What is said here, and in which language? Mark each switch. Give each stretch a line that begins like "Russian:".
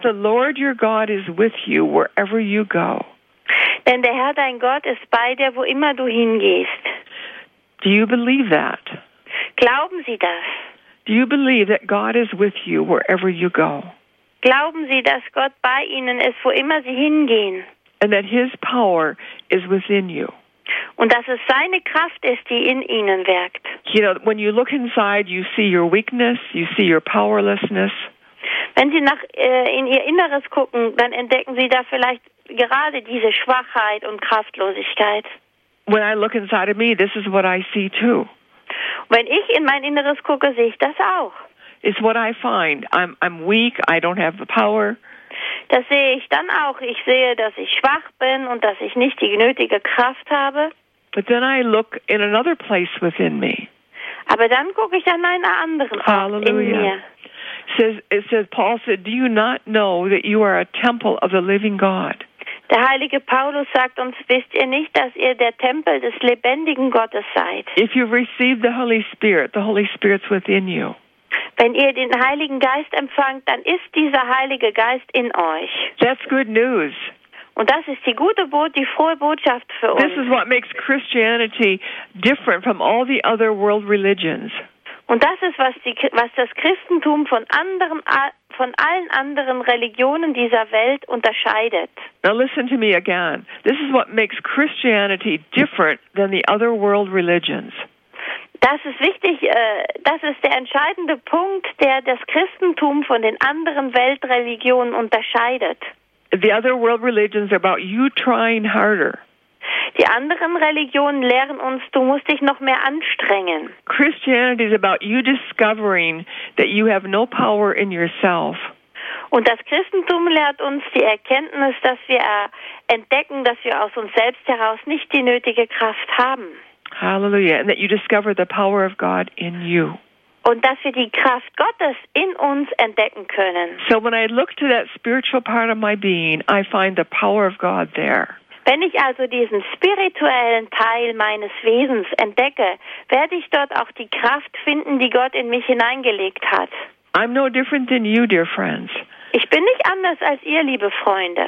English: the Lord your God is with you wherever you go.
German: Denn der Herr dein Gott ist bei dir, wo immer du hingehst.
English: Do you believe that?
German: Glauben Sie das?
English: Do you believe that God is with you wherever you go?
German: Glauben Sie, dass Gott bei Ihnen ist, wo immer Sie hingehen?
English: And that His power is within you.
German: Und dass es seine Kraft ist, die in Ihnen wirkt.
English: You know, when you look inside, you see your weakness, you see your powerlessness.
German: Wenn Sie nach in Ihr Inneres gucken, dann entdecken Sie da vielleicht gerade diese Schwachheit und Kraftlosigkeit.
English: When I look inside of me, this is what I see too.
German: Wenn ich in mein Inneres gucke, sehe ich das auch.
English: It's what I find. I'm weak. I don't have the power.
German: Das sehe ich dann auch. Ich sehe, dass ich schwach bin und dass ich nicht die nötige Kraft habe.
English: But then I look in another place within me.
German: Aber dann gucke ich an einen anderen Ort in mir.
English: It says, Paul said, do you not know that you are a temple of the living God?
German: Der heilige Paulus sagt uns, wisst ihr nicht, dass ihr der Tempel des lebendigen Gottes seid?
English: If you receive the Holy Spirit, the Holy Spirit's within you.
German: Wenn ihr den Heiligen Geist empfangt, dann ist dieser Heilige Geist in euch.
English: That's good news.
German: Und das ist die gute Botschaft, die frohe Botschaft für uns.
English: This is what makes Christianity different from all the other world religions.
German: Und das ist, was das Christentum von allen anderen Religionen dieser Welt unterscheidet.
English: Now listen to me again. This is what makes Christianity different than the other world religions.
German: Das ist wichtig, das ist der entscheidende Punkt, der das Christentum von den anderen Weltreligionen unterscheidet.
English: The other world religions are about you trying harder.
German: Die anderen Religionen lehren uns, du musst dich noch mehr anstrengen.
English: Christianity is about you discovering that you have no power in yourself.
German: Und das Christentum lehrt uns die Erkenntnis, dass wir entdecken, dass wir aus uns selbst heraus nicht die nötige Kraft haben.
English: Hallelujah, and that you discover the power of God in you.
German: Und dass wir die Kraft Gottes in uns entdecken können.
English: So when I look to that spiritual part of my being, I find the power of God there.
German: Wenn ich also diesen spirituellen Teil meines Wesens entdecke, werde ich dort auch die Kraft finden, die Gott in mich hineingelegt hat.
English: I'm no different than you, dear friends.
German: Ich bin nicht anders als ihr, liebe Freunde.